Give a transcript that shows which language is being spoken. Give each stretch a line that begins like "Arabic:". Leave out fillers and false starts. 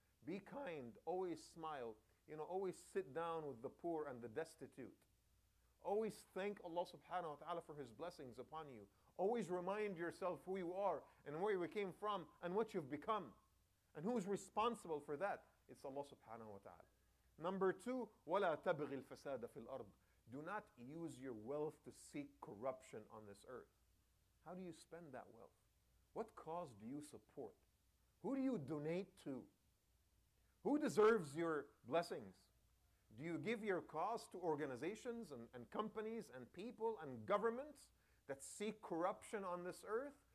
English: Be kind, always smile, you know, always sit down with the poor and the destitute. Always thank Allah subhanahu wa ta'ala for His blessings upon you. Always remind yourself who you are and where you came from and what you've become. And who's responsible for that? It's Allah subhanahu wa ta'ala. Number two,
Arabic: وَلَا تَبْغِي الْفَسَادَ فِي الْأَرْضِ.
English: Do not use your wealth to seek corruption on this earth. How do you spend that wealth? What cause do you support? Who do you donate to? Who deserves your blessings? Do you give your cause to organizations and companies and people and governments that seek corruption on this earth?